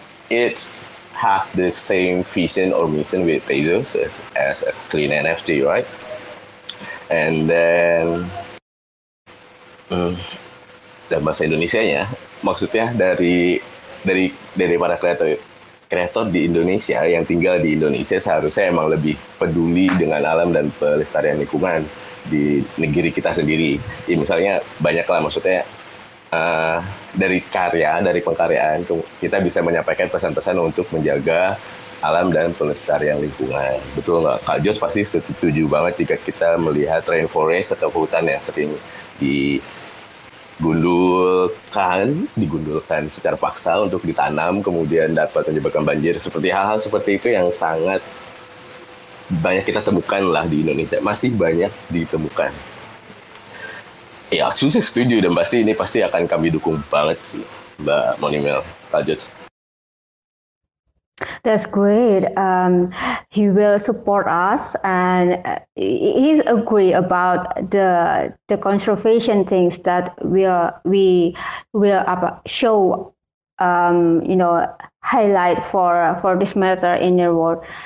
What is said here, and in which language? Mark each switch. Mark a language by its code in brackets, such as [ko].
[en] It's have the same vision or mission with Tezos as a clean NFT, right? And then [id] dan bahasa Indonesianya, maksudnya dari para kreator. Kreator di Indonesia yang tinggal di Indonesia seharusnya emang lebih peduli dengan alam dan pelestarian lingkungan di negeri kita sendiri. Ya, misalnya banyak lah maksudnya dari pengkaryaan kita bisa menyampaikan pesan-pesan untuk menjaga alam dan pelestarian lingkungan. Betul nggak? Kak Jos pasti setuju banget jika kita melihat rainforest atau hutan yang sering digundulkan secara paksa untuk ditanam, kemudian dapat menyebabkan banjir. Seperti hal-hal seperti itu yang sangat banyak kita temukan lah di Indonesia. Masih banyak ditemukan. Ya, aku sih setuju dan pasti ini pasti akan kami dukung banget sih, Mbak Monimel. Lanjut. [en] That's great. He will support us, and he agree about the conservation things that we will show, you know, highlight for this matter in your world.